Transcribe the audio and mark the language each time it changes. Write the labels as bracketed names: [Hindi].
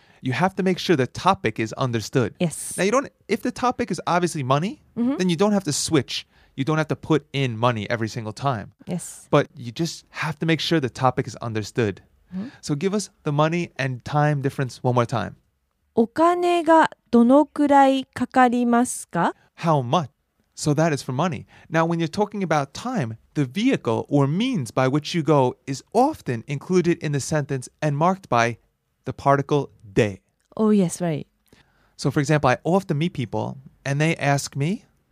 [English] you have to make sure the topic is understood. Yes. Now, you don't. If the topic is obviously money, mm-hmm. then you don't have to switch. You don't have to put in money every single time. Yes. But you just have to make sure the topic is understood. Mm-hmm. So give us the money and time difference one more time. [Japanese] お金がどのくらいかかりますか? [English] How much? So that is for money. Now, when you're talking about time, the vehicle or means by which you go is often included in the sentence and marked by the particle de. Oh, yes, right. So, for example, I often meet people and they ask me,